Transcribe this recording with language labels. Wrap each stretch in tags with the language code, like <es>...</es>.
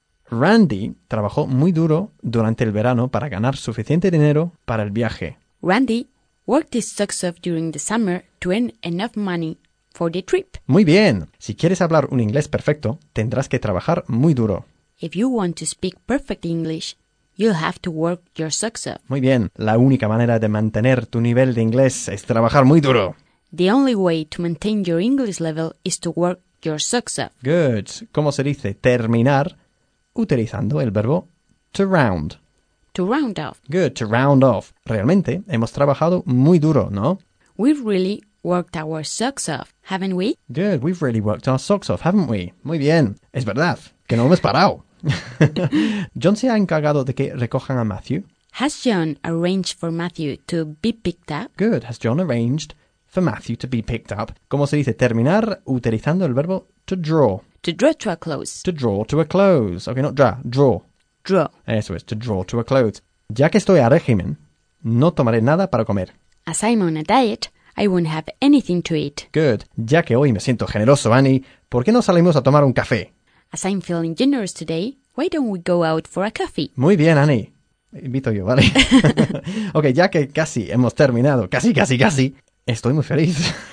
<es>Randy trabajó muy duro durante el verano para ganar suficiente dinero para el viaje.</es> <en>Randy worked his socks off during the summer to earn enough money for the trip.</en> <es>Muy bien. Si quieres hablar un inglés perfecto, tendrás que trabajar muy duro.</es> <en>If you want to speak perfect English, you'll have to work your socks off.</en> <es>Muy bien. La única manera de mantener tu nivel de inglés es trabajar muy duro.</es> <en>The only way to maintain your English level is to work your socks off.</en> <es>Good. ¿Cómo se dice terminar? Utilizando el verbo to round.</es> <en>To round off. Good, to round off.</en> <es>Realmente hemos trabajado muy duro, ¿no?</es> <en>We've really worked our socks off, haven't we? Good, we've really worked our socks off, haven't we?</en> <es>Muy bien. Es verdad, que no hemos parado. ¿John se ha encargado de que recojan a Matthew?</es> <en>Has John arranged for Matthew to be picked up? Good, has John arranged for Matthew to be picked up.</en> <es>¿Cómo se dice terminar utilizando el verbo to draw?</es> <en>To draw to a close. To draw to a close. Okay, not draw, draw. Draw.</en> <es>Eso es,</es> <en>to draw to a close.</en> <es>Ya que estoy a régimen, no tomaré nada para comer.</es> <en>As I'm on a diet, I won't have anything to eat. Good.</en> <es>Ya que hoy me siento generoso, Annie, ¿por qué no salimos a tomar un café?</es> <en>As I'm feeling generous today, why don't we go out for a coffee?</en> <es>Muy bien, Annie. Invito yo, ¿vale? Okay, ya que casi hemos terminado, casi, estoy muy feliz.</es>